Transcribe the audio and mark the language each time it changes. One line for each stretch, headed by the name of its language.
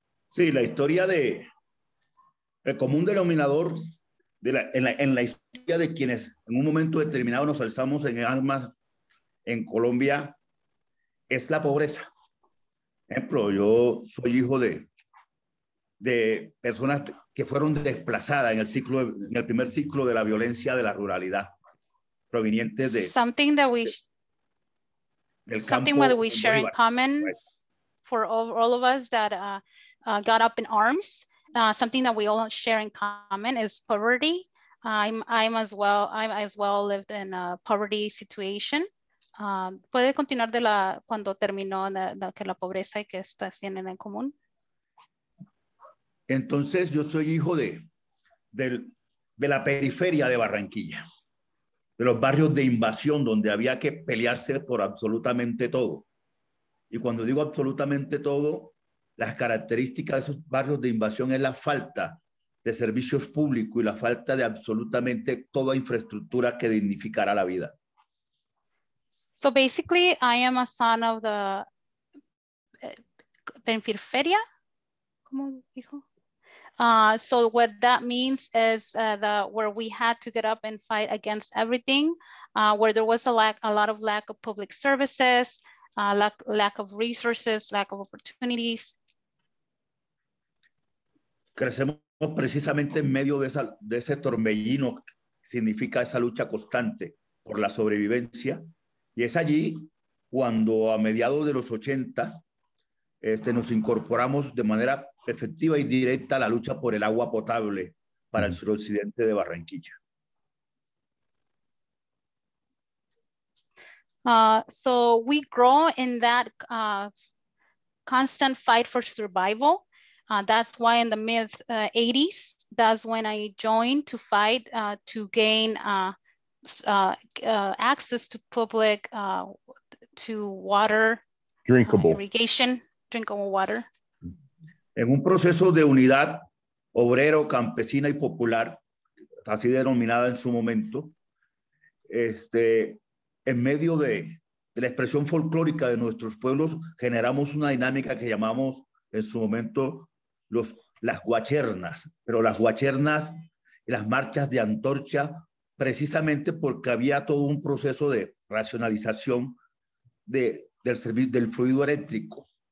Spanish: Sí, la historia de el común denominador de la historia de quienes en un momento determinado nos alzamos en armas en Colombia es la pobreza. Ejemplo, yo soy hijo de personas que fueron desplazadas en el primer ciclo de la violencia de la ruralidad provenientes de
English: something that we something that we share in common for all of us that got up in arms, something that we all share in common is poverty. I'm as well lived in a poverty situation.
Spanish: ¿Puede continuar de la cuando terminó de que la pobreza y que está haciendo en común? Entonces yo soy hijo de la periferia de Barranquilla, de los barrios de invasión donde había que pelearse por absolutamente todo. Y cuando digo absolutamente todo, las características de esos barrios de invasión es la falta de servicios públicos y la falta de absolutamente toda infraestructura que dignificara la vida.
English: So basically, I am a son of the periferia,
Spanish: como dijo.
English: So what that means is that where we had to get up and fight against everything, where there was a lot of lack of public services, lack of resources, lack of opportunities.
Spanish: Crecemos precisamente en medio de ese torbellino, significa esa lucha constante por la sobrevivencia. Y es allí cuando a mediados de los 80 nos incorporamos de manera efectiva y directa la lucha por el agua potable para el suroccidente de Barranquilla.
English: So we grow in that constant fight for survival. That's why in the mid 80s, that's when I joined to fight to gain access to public to water, drinkable irrigation, drinkable water.
Spanish: En un proceso de unidad obrero, campesina y popular, así denominada en su momento, en medio de la expresión folclórica de nuestros pueblos, generamos una dinámica que llamamos en su momento las guachernas, pero las guachernas y las marchas de antorcha, precisamente porque había todo un proceso de racionalización del fluido eléctrico.